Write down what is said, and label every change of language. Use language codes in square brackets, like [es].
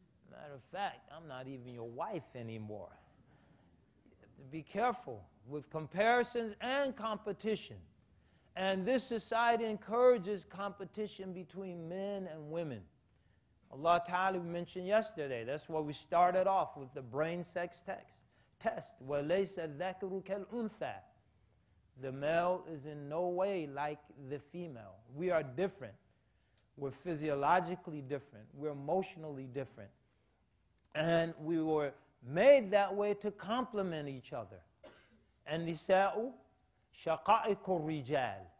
[en] Matter of fact, I'm not even your wife anymore. You have to be careful with comparisons and competition. And this society encourages competition between men and women. Allah Ta'ala mentioned yesterday, that's why we started off with the brain sex text. [ar] Test, وَلَيْسَ الذَّكْرُ كَالْأُنْثَى. [en] The male is in no way like the female. We are different. We're physiologically different. We're emotionally different. And we were made that way to complement each other. [ar] النِسَاءُ شَقَائِقُ الرِّجَالِ.